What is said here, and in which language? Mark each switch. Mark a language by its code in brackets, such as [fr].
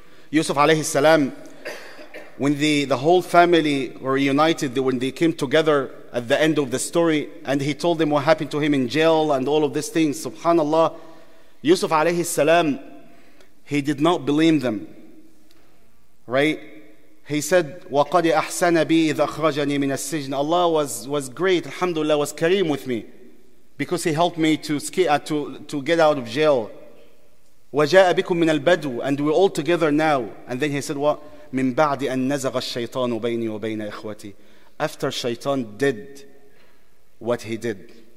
[en] Yusuf alayhi salam, when the whole family were united, when they came together at the end of the story, and he told them what happened to him in jail and all of these things, subhanAllah, Yusuf alayhi salam, he did not blame them. Right? He said, [ar] وَقَدْ أَحْسَنَ بِي إِذْ أَخْرَجَنِي مِنَ السِّجْنِ. [en] Allah was great, alhamdulillah, was kareem with me, because he helped me to get out of jail. [ar] وَجَاءَ بِكُم مِنَ الْبَدْوِ. [en] And we're all together now. And then he said, what? [ar] مِنْ بَعْدِ أَن نَزَغَ الشَّيْطَانُ بَيْنِي وَبَيْنَ إِخْوَتِي. [en] After Shaitan did what he did.